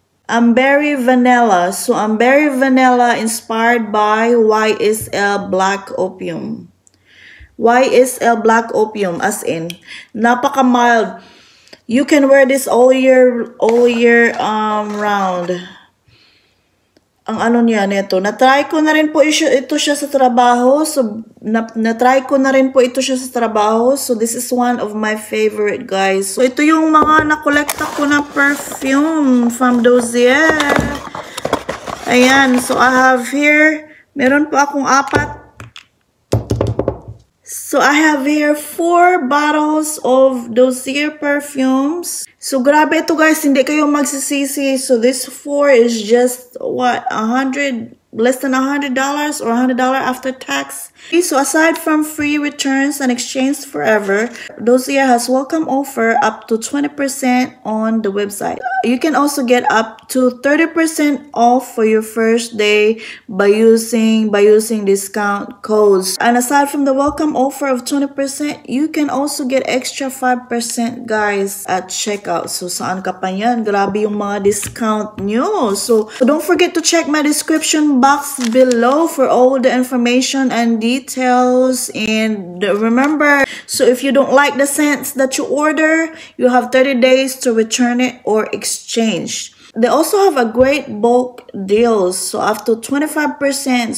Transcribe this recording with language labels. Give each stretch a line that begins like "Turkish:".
English: Amberry Vanilla. So Amberry Vanilla inspired by YSL Black Opium. YSL Black Opium, as in, napaka mild. You can wear this all year round.
Filipino: Ang ano niya nito, na-try ko na rin po ito siya sa trabaho. So na-try ko na rin po ito siya sa trabaho.
English: So this is one of my favorite, guys.
Filipino: So ito yung mga na-collecta ko na perfume from DOSSIER. Ayan,
English: so I have here,
Filipino: meron po akong apat.
English: So I have here 4 bottles of DOSSIER perfumes.
Filipino: So grabe ito, guys, hindi kayo magsisisi.
English: So this 4 is just what, less than $100 or $100 after tax. So aside from free returns and exchange forever, DOSSIER has welcome offer up to 20% on the website. You can also get up to 30% off for your first day by using discount codes. And aside from the welcome offer of 20%, you can also get extra 5%, guys, at checkout.
Filipino: So saan ka pa yan? Grabe yung mga discount nyo.
English: So don't forget to check my description box below for all the information and details. And remember, so if you don't like the scents that you order, you have 30 days to return it or exchange. They also have a great bulk deals, so up to 25%.